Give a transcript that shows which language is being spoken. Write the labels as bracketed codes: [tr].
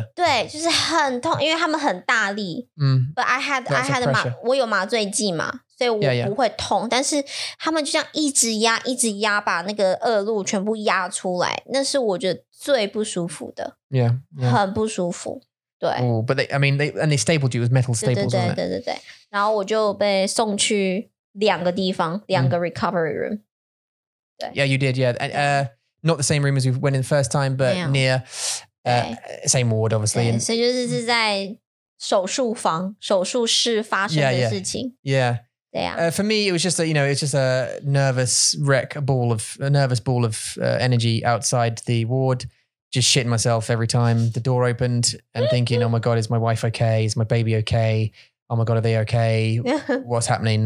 [zh] 对，它叫做恶露。他说妈妈，我要把你的恶露压出来了。他就开始好痛。他们因为他们不是痛，但是就是不舒服。Tender。对，就是很痛，因为他们很大力。 [en] But I had [zh] 麻醉剂嘛。所以我不会痛，但是他们就这样一直压，一直压，把那个恶露全部压出来。那是我觉得最不舒服的，很不舒服。对。But [en] they, I mean, and they stapled you with metal staples. [zh] 对对对对对。然后我就被送去两个地方，两个 [en] recovery room. Yeah, you did. Yeah, and not the same room as we went in the first time, but near same ward, obviously. [zh] 所以就是在手术房，手术室发生的事情。 [en] Yeah. For me, it was just a, you know, it's just a nervous wreck, a nervous ball of energy outside the ward, just shitting myself every time the door opened and thinking, oh my God, is my wife okay? Is my baby okay? Oh my God, are they okay? What's happening?